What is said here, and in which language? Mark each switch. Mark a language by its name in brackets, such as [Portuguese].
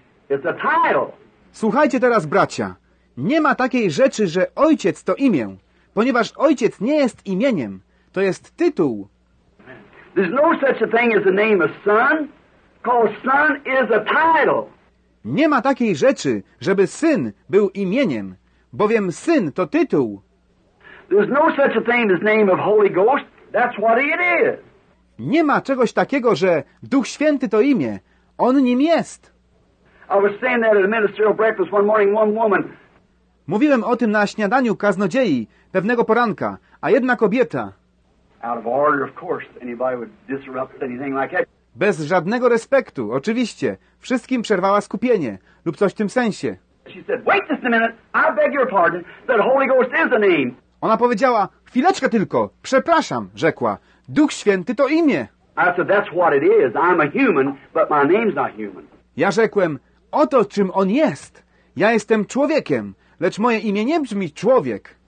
[English] It's a title. [Polish] Słuchajcie teraz, bracia. Nie ma takiej rzeczy, że Ojciec to imię. Ponieważ Ojciec nie jest imieniem, to jest tytuł. [English] There's no such a thing as the name of son, because son is a title. [Polish] Nie ma takiej rzeczy, żeby syn był imieniem, bowiem syn to tytuł. [English] There's no such a thing as name of Holy Ghost. That's what it is. [Polish] Nie ma czegoś takiego, że Duch Święty to imię. On nim jest. [English] I was saying that at a ministerial breakfast one morning, one woman. [Polish] Mówiłem o tym na śniadaniu kaznodziei pewnego poranka, a jedna kobieta. [English] Out of order, of course, anybody would disrupt anything like that. [Polish] Bez żadnego respektu, oczywiście, wszystkim przerwała skupienie lub coś w tym sensie. [English] She said, "Wait just a minute. I beg your pardon. That Holy Ghost is a name." [Polish] Ona powiedziała: "Chwileczkę tylko, przepraszam", rzekła. Duch Święty to imię. [English] I said, "That's what it is. I'm a human, but my name's not human." [Polish] Ja rzekłem: "Oto czym on jest. Ja jestem człowiekiem, lecz moje imię nie brzmi człowiek.